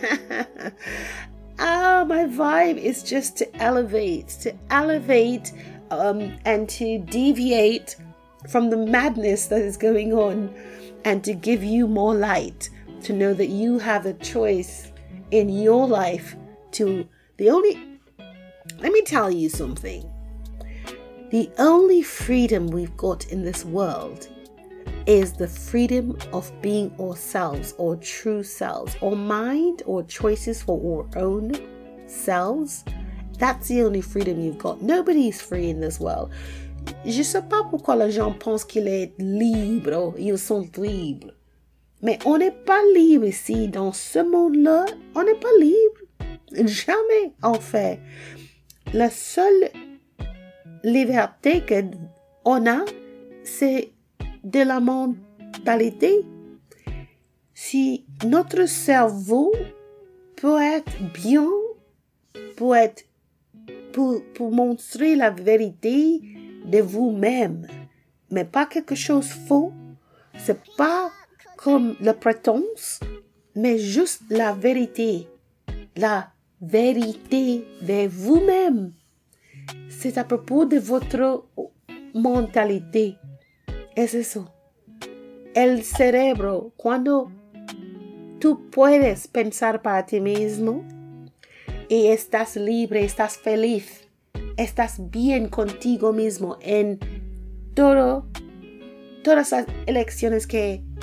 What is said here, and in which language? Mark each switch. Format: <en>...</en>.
<en>my vibe is just to elevate and to deviate from the madness that is going on and to give you more light, to know that you have a choice in your life to the only, let me tell you something, the only freedom we've got in this world is the freedom of being ourselves, our true selves, our mind, our choices for our own selves. That's the only freedom you've got. Nobody is free in this world.</en> <fr>Je sais pas pourquoi les gens pensent qu'il est libre, ils sont libres. Mais on n'est pas libre ici, dans ce monde-là, on n'est pas libre. Jamais, en fait. La seule liberté qu'on a, c'est de la mentalité. Si notre cerveau peut être bien, peut être pour montrer la vérité de vous-même, mais pas quelque chose de faux, c'est pas comme la prétence, mais juste la vérité de vous-même, c'est à propos de votre mentalité.</fr> <es>Es eso. El cerebro, cuando tú puedes pensar para ti mismo y estás libre, estás feliz, estás bien contigo mismo en todas las elecciones que</es>